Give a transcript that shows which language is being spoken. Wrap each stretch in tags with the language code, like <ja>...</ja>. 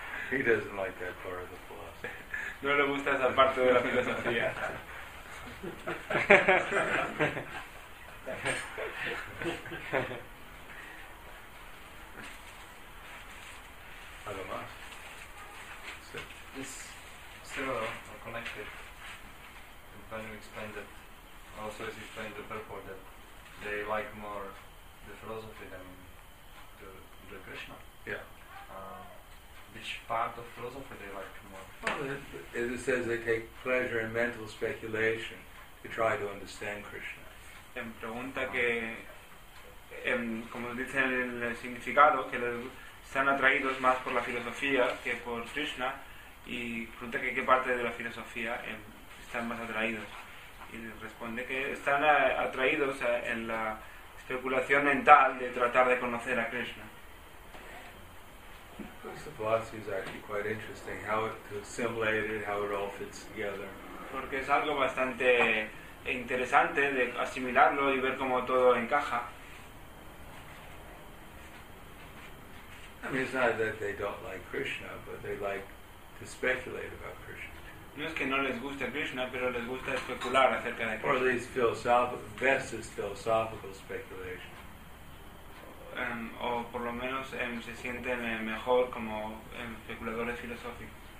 <en>He doesn't like that part of the philosophy.</en> <es>No le gusta esa parte de la filosofía. ¿Algo más? Sí.</es> <en>This similar or connected. And when you explained it, also as you explained the purport, that they like more the philosophy than the Krishna. Yeah. Which part of philosophy they like more? Well, it says they take pleasure in mental speculation. To try to understand Krishna.</en> <es>En pregunta que, como dicen en el significado, que están atraídos más por la filosofía que por Krishna, y pregunta que qué parte de la filosofía están más atraídos. Y responde que están atraídos en la especulación mental de tratar de conocer a Krishna.</es> <en>The philosophy is actually quite interesting, how it assimilated, how it all fits together.</en> <es>Porque es algo bastante interesante de asimilarlo y ver cómo todo encaja.</es> <en>I mean, it's not that they don't like Krishna, but they like to speculate about Krishna.</en> <es>No es que no les guste Krishna, pero les gusta especular acerca de Krishna.</es> <en>Or these philosophical speculation.</en> <es>O por lo menos se sienten mejor como especuladores filosóficos.</es>